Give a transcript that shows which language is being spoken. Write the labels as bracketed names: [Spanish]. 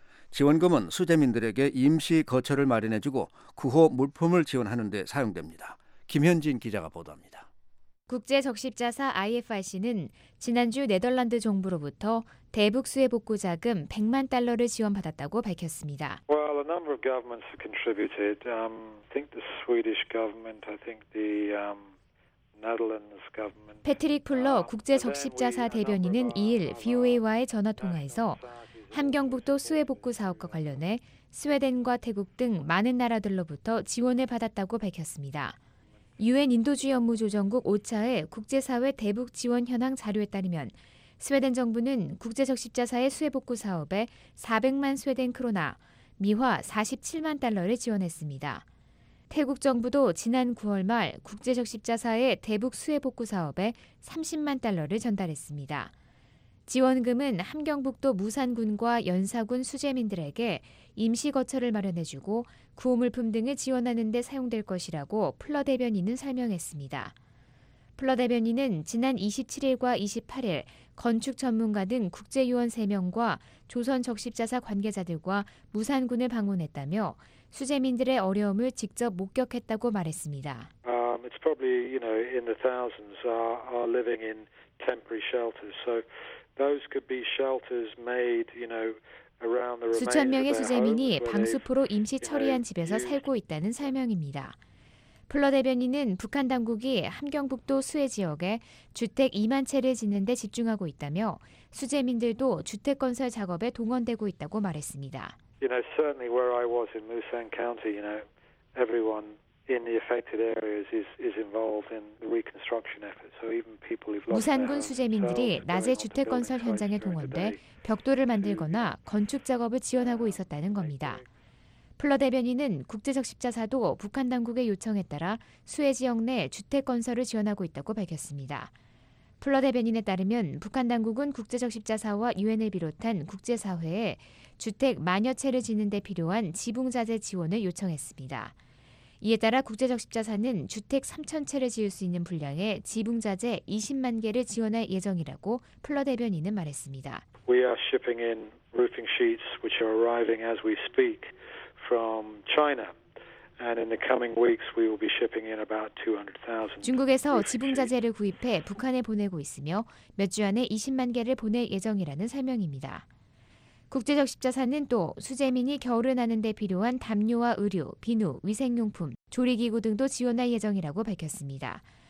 [Korean] 지원금은 수재민들에게 임시 거처를 마련해주고 구호 물품을 지원하는 데 사용됩니다. 김현진 기자가 보도합니다. 국제적십자사 IFRC는 지난주 네덜란드 정부로부터 대북 수해 복구 자금 100만 달러를 지원받았다고 밝혔습니다. [English] Well, a number of governments have contributed. I think the Swedish government, I think the Netherlands government. [Korean] 패트릭 풀러 국제적십자사 대변인은 2일 VOA와의 전화통화에서 함경북도 수해 복구 사업과 관련해 스웨덴과 태국 등 많은 나라들로부터 지원을 받았다고 밝혔습니다. 유엔 인도주의 업무조정국 OCHA의 국제사회 대북 지원 현황 자료에 따르면 스웨덴 정부는 국제적십자사의 수해 복구 사업에 400만 스웨덴 크로나, 미화 47만 달러를 지원했습니다. 태국 정부도 지난 9월 말 국제적십자사의 대북 수해 복구 사업에 30만 달러를 전달했습니다. 지원금은 함경북도 무산군과 연사군 수재민들에게 임시 거처를 마련해주고 구호물품 등을 지원하는 데 사용될 것이라고 플러 대변인은 설명했습니다. 플러 대변인은 지난 27일과 28일 건축 전문가 등 국제요원 3명과 조선적십자사 관계자들과 무산군을 방문했다며 수재민들의 어려움을 직접 목격했다고 말했습니다. [English] It's probably, you know, in the thousands are living in temporary shelters. So those could be shelters made, you know, around the [Korean] 수천 명의 수재민이 방수포로 임시 처리한 집에서 살고 있다는 설명입니다. 플러 대변인은 북한 당국이 함경북도 수해 지역에 주택 2만 채를 짓는 데 집중하고 있다며 수재민들도 주택 건설 작업에 동원되고 있다고 말했습니다. [English] You know, certainly where I was in Musan County, you know, everyone in the affected areas is involved in the reconstruction effort. So even people who've lost [Korean] 무산군 수재민들이 낮에 주택 건설 현장에 동원돼 벽돌을 만들거나 건축 작업을 지원하고 있었다는 겁니다. 플러 대변인은 국제적십자사도 북한 당국의 요청에 따라 수해 지역 내 주택 건설을 지원하고 있다고 밝혔습니다. 플러 대변인에 따르면 북한 당국은 국제적십자사와 유엔을 비롯한 국제사회에 주택 만여 채를 짓는 데 필요한 지붕자재 지원을 요청했습니다. 이에 따라 국제적십자사는 주택 3천 채를 지을 수 있는 분량의 지붕자재 20만 개를 지원할 예정이라고 플러 대변인은 말했습니다. [English] We are shipping in roofing sheets which are arriving as we speak from China. And in the coming weeks we will be shipping in about 200,000. [Korean] 중국에서 지붕자재를 구입해 북한에 보내고 있으며 몇 주 안에 20만 개를 보낼 예정이라는 설명입니다. 국제적십자사는 또 수재민이 겨울을 나는 데 필요한 담요와 의류, 비누, 위생용품, 조리기구 등도 지원할 예정이라고 밝혔습니다.